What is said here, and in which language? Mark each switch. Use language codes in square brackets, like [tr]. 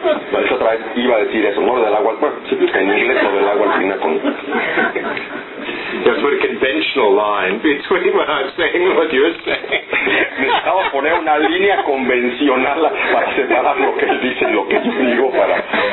[es] Pero eso otra vez iba a decir eso, ¿no? Del agua, bueno, en inglés o del agua al tinaco. [en] That's what a conventional line between what I'm saying and what you're saying. [es] Necesitaba poner una línea convencional para separar lo que él dice y lo que yo digo para...